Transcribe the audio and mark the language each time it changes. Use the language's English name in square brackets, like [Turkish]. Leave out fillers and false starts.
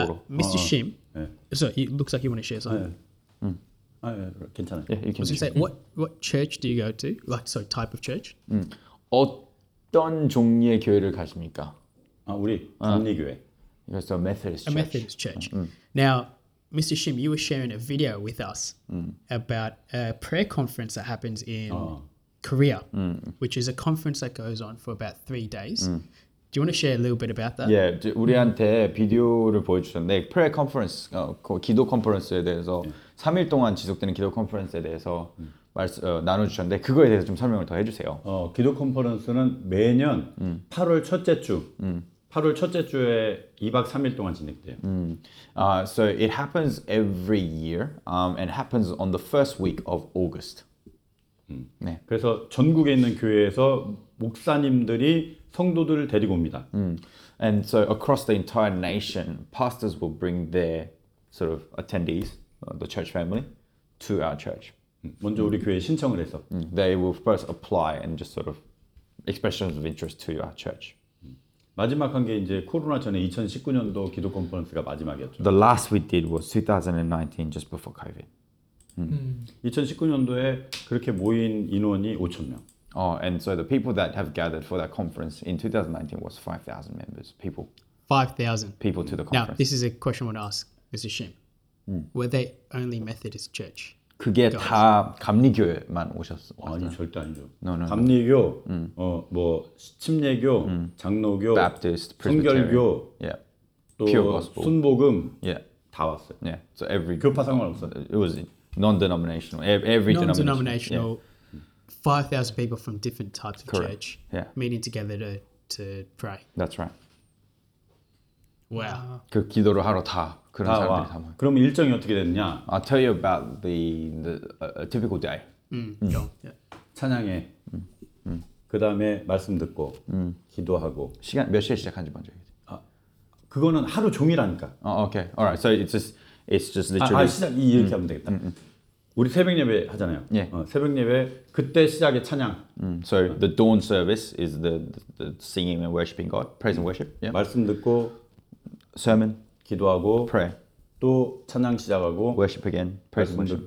[English] Mr. Shim, so it looks like you want to share something. [Korean] 괜찮아요. [English] Yeah, you can. So say what church do you go to? Like, sorry, type of church? [Korean] 어떤 종류의 교회를 가십니까? 아, 우리 장례교회. [English] It's a Methodist church. A Methodist church. Now, Mr. Shim, you were sharing a video with us about a prayer conference that happens in Korea, which is a conference that goes on for about 3 days. Do you want to share a little bit about that? Yeah, [Korean] 우리한테 비디오를 보여주셨는데 [English] prayer conference, [Korean] 기도 conference에 대해서 3일 동안 지속되는 기도 conference에 대해서 나눠주셨는데 그거에 대해서 좀 설명을 더 해주세요. 기도 conference는 매년 8월 첫째 주 8월 첫째 주에 2박 3일 동안 진행돼요. [English] So it happens every year and happens on the first week of August. [Korean] 네. 그래서 전국에 있는 교회에서 목사님들이 성도들을 데리고 옵니다. [English] And so across the entire nation, pastors will bring their sort of attendees, the church family, to our church. [Korean] 먼저 우리 교회에 신청을 해서. [English] They will first apply and just sort of expressions of interest to our church. [Korean] 마지막 한 게 이제 코로나 전에 2019년도 기도 컨퍼런스가 마지막이었죠. [English] The last we did was 2019, just before COVID. [Korean] 2019년도에 그렇게 모인 인원이 5천 명. [English] And so the people that have gathered for that conference in 2019 was 5,000 members, people. 5,000? People to the conference. Now, this is a question I want to ask Mr. Shim. Were they only Methodist church? [Korean] 그게 [English] God. [Korean] 다 감리교회만 오셨어요? 아니, 절대 아니죠. [English] No, no, [Korean] 감리교, [English] no. [Korean] 뭐 침례교, 장로교, [English] Baptist, [Korean] 성결교, [English] yeah. [Korean] 또 [English] Pure gospel. [Korean] 순복음 [English] yeah. [Korean] 다 왔어요. [English] Yeah. So every, [Korean] 교파 상관없어요. [English] It was non-denominational. Every non-denominational. Yeah. 5,000 people from different types of Correct. Church yeah. meeting together to pray. That's right. Wow. [Korean] 그 기도를 하러 다 그런 다 사람들이 와. 다 와. 그럼 일정이 어떻게 됐냐? [English] I'll tell you about the typical day. [Korean] 찬양해. 그 다음에 말씀 듣고 기도하고. 시간 몇 시에 시작한지 먼저 얘기해. 아, 그거는 하루 종일하니까. [English] Okay. All right. So it's just literally. [Korean] 시작 이렇게 하면 되겠다. 우리 새벽 예배 하잖아요. [English] Yeah. [Korean] 새벽 예배 그때 시작의 찬양. [English] So the dawn service is the singing and worshiping God, praise and worship. Yeah. [Korean] 말씀 듣고 [English] sermon, [Korean] 기도하고 [English] pray. [Korean] 또 찬양 시작하고 [English] worship again, praise and worship.